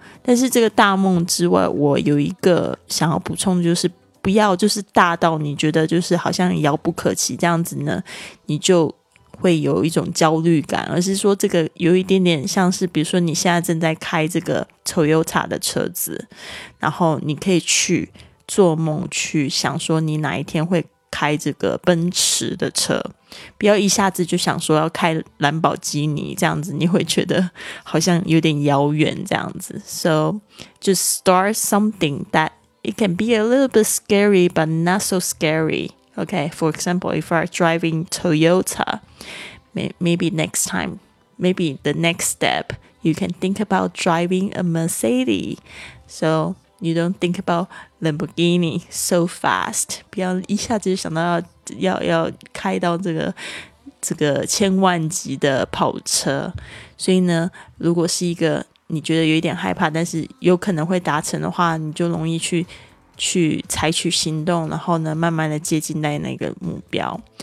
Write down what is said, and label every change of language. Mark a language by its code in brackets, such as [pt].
[zh] 但是这个大梦之外，我有一个想要补充，就是不要就是大到你觉得就是好像遥不可及这样子呢，你就会有一种焦虑感，而是说这个有一点点像是比如说你现在正在开这个Toyota 的车子，然后你可以去做梦，去想说你哪一天会开这个奔驰的车，不要一下子就想说要开兰博基尼，这样子你会觉得好像有点遥远这样子。 [en] So just start something that it can be a little bit scary but not so scary. Okay, for example, if you are driving Toyota, maybe next time, maybe the next step,You can think about driving a Mercedes. So you don't think about Lamborghini so fast. [zh] 不要一下子就想到要开到这个千万级的跑车。所以呢，如果是一个你觉得有一点害怕，但是有可能会达成的话，你就容易去采取行动，然后呢慢慢的接近在那个目标。